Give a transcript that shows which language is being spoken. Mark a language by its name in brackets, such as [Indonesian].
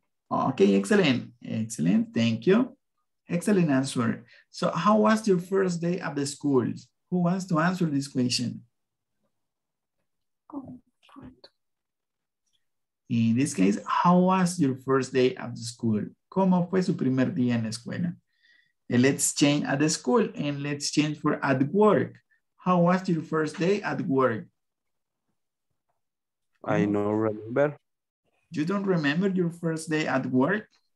[English] Okay, excellent. Excellent. Thank you. Excellent answer. So how was your first day at the school? Who wants to answer this question? In this case, how was your first day at the school? [Spanish] ¿Cómo fue su primer día en la escuela? [English] And let's change at the school and let's change for at work. How was your first day at work? I don't remember. You don't remember your first day at work?